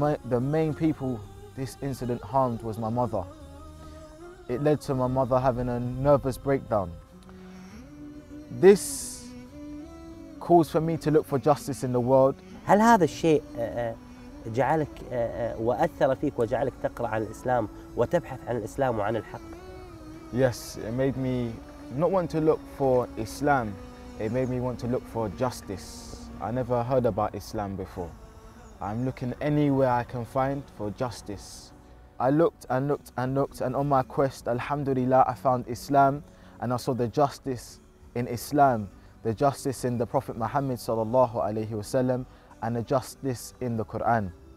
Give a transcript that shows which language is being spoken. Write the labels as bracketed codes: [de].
[en] The main people this incident harmed was my mother. It led to my mother having a nervous breakdown. This caused for me to look for justice in the world. [ar] هل هذا الشيء جعلك وأثر فيك وجعلك تقرأ عن الإسلام وتبحث عن الإسلام وعن الحق؟ [en] Yes, it made me not want to look for Islam. It made me want to look for justice. I never heard about Islam before. I'm looking anywhere I can find for justice. I looked and looked and looked and on my quest, alhamdulillah, I found Islam and I saw the justice in Islam, the justice in the Prophet Muhammad sallallahu alayhi wasallam, and the justice in the Quran.